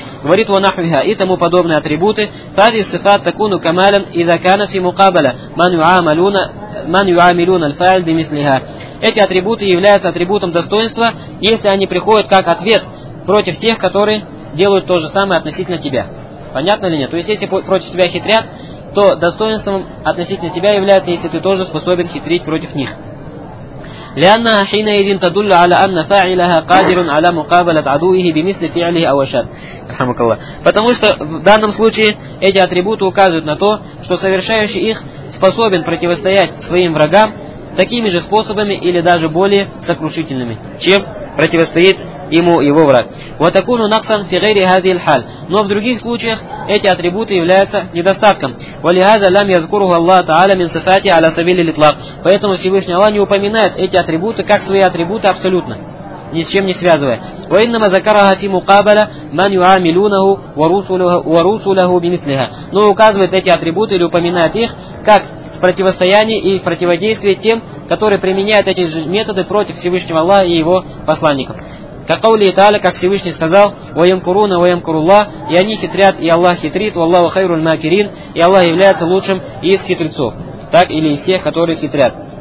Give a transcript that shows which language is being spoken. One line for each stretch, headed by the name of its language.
Russian: Говорит ванахвиха, и тому подобные атрибуты, фази сифат такуну камалян и заканафи мукабаля, ман юамилюна альфаэль бимислиха. Эти атрибуты являются атрибутом достоинства, если они приходят как ответ против тех, которые делают то же самое относительно тебя. Понятно или нет? То есть, если против тебя хитрят, то достоинством относительно тебя является, если ты тоже способен хитрить против них.
Arabic: لأنها حينئذ تدل على أن فاعلها قادر على مقابلة عدوه بمثل فعله أو أشد. رحمك الله.
Russian: Потому что в данном случае эти атрибуты указывают на то, что совершающий их способен противостоять своим врагам такими же способами или даже более сокрушительными, чем противостоит ему его враг.
Arabic: وتكون نقصا في غير هذه الحال.
Russian: Но в других случаях эти атрибуты являются недостатком.
Arabic: ولهذا لم يذكره الله تعالى من صفاته على سبيل الإطلاق.
Russian: Поэтому Всевышний Аллах не упоминает эти атрибуты как свои атрибуты абсолютно, ни с чем не связывая.
Arabic: وإنما ذكرها في مقابلة من يعاملونه ورسله بمثلها.
Russian: Но указывает эти атрибуты или упоминает их как в противостоянии и в противодействии тем, которые применяют эти же методы против Всевышнего Аллаха и его посланников. Как Всевышний сказал, «Ваямкуруна, ваямкурулла», и они хитрят, и Аллах хитрит, «Валлаху хайруль макирин», и Аллах является лучшим из хитрецов, так или из тех, которые хитрят.